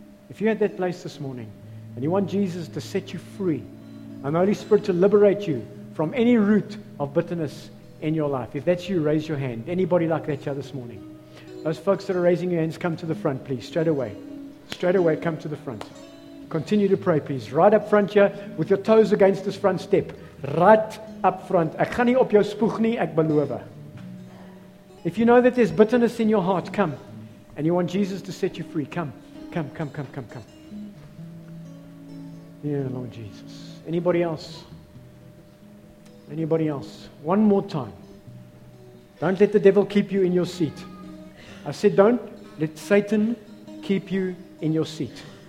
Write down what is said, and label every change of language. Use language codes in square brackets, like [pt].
[en] If you're at that place this morning, and you want Jesus to set you free, and the Holy Spirit to liberate you from any root of bitterness in your life, if that's you, raise your hand. Anybody like that here this morning? Those folks that are raising your hands, come to the front, please, straight away. Straight away, come to the front. Continue to pray, please. Right up front here, with your toes against this front step. Right up front. [af] Ek gaan nie op jou spoeg nie, ek beloof. [en] If you know that there's bitterness in your heart, come. And you want Jesus to set you free, come. Come, come, come, come, come. Yeah, Lord Jesus. Anybody else? Anybody else? One more time. Don't let the devil keep you in your seat. I said, don't let Satan keep you in your seat.